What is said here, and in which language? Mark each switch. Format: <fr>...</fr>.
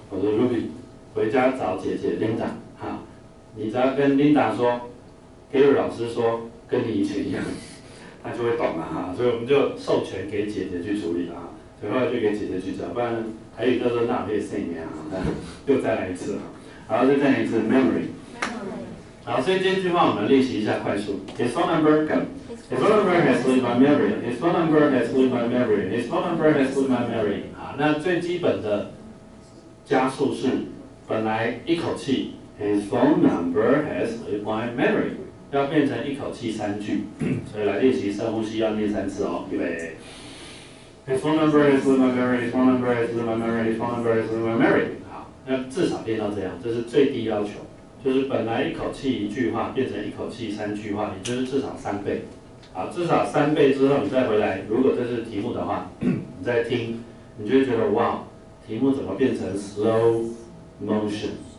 <zh>我说 Ruby， 回家找姐姐 Linda。你只要跟 Linda 说 ，Gary 老师说跟你以前一样，他就会懂了哈。所以我们就授权给姐姐去处理了哈。所以后来就给姐姐去找，不然还有一个说那可以剩一年啊，又再来一次哈。然后再来一次 memory。好，所以这句话我们练习一下，快速。</zh> <en>His phone number can. His phone number has slipped my memory. His phone number has slipped my memory. His phone number has slipped my memory.</en> <zh>啊，那最基本的加速是本来一口气。</zh> <en>His phone number has slipped my memory，</en> <zh>要变成一口气三句，所以来练习深呼吸，要念三次哦，预备。</zh> <en>His phone number has slipped my memory. His phone number has slipped my memory. His phone number has slipped my memory。</en> <zh>好，那至少练到这样，这是最低要求，就是本来一口气一句话，变成一口气三句话，也就是至少三倍。好，至少三倍之后，你再回来，如果这是题目的话，你再听，你就会觉得哇，题目怎么变成 slow motion？</zh>